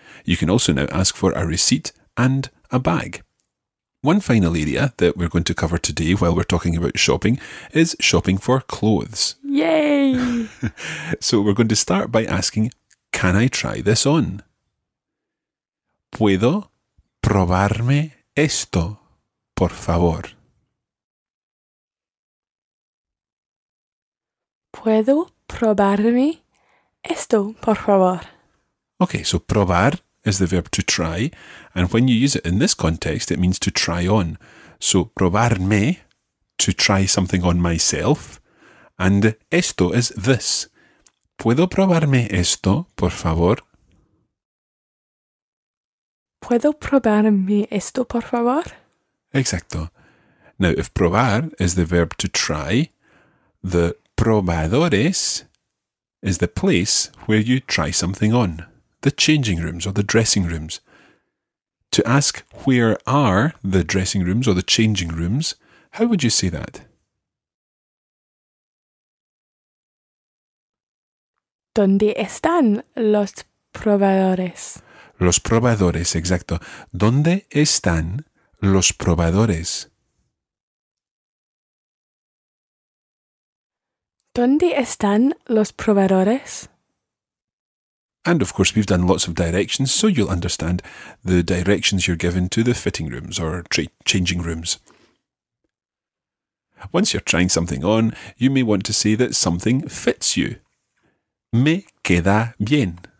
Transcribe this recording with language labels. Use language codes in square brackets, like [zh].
[en] You can also now ask for a receipt and a bag. One final area that we're going to cover today while we're talking about shopping is shopping for clothes. Yay! So we're going to start by asking, can I try this on? [es] ¿Puedo probarme esto, por favor? ¿Puedo probarme esto, por favor? [en] Okay, so probar is the verb to try, and when you use it in this context, it means to try on. So probarme, to try something on myself, and esto is this. [es] ¿Puedo probarme esto, por favor? ¿Puedo probarme esto, por favor? Exacto. [en] Now, if probar is the verb to try, the probadores is the place where you try something on, the changing rooms or the dressing rooms. To ask where are the dressing rooms or the changing rooms, how would you say that? [es] ¿Dónde están los probadores? Los probadores, exacto. ¿Dónde están los probadores? ¿Dónde están los probadores? [en] And of course, we've done lots of directions, so you'll understand the directions you're given to the fitting rooms or changing rooms. Once you're trying something on, you may want to say that something fits you. [es] Me queda bien.